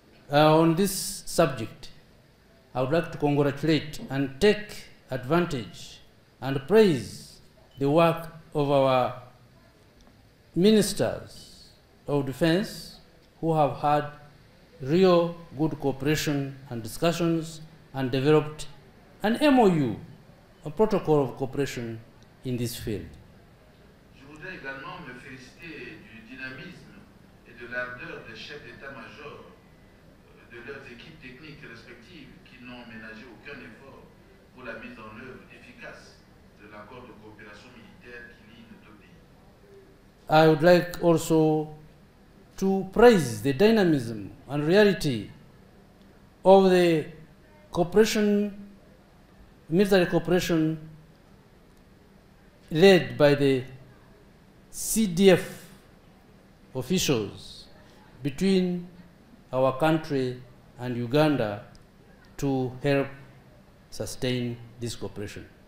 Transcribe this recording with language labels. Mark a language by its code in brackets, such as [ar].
[en] On this subject, I would like to congratulate and take advantage and praise the work of our ministers of defense who have had real good cooperation and discussions and developed an MOU, a protocol of cooperation in this field. [fr] Je voudrais également me féliciter du dynamisme et de l'ardeur des chefs d'état-major, de leurs équipes techniques respectives qui n'ont ménagé aucun effort pour la mise en œuvre efficace de l'accord de coopération militaire qui lie nos deux pays. [en] I would like also to praise the dynamism and reality of the cooperation, military cooperation led by the CDF officials between our country and Uganda to help sustain this cooperation.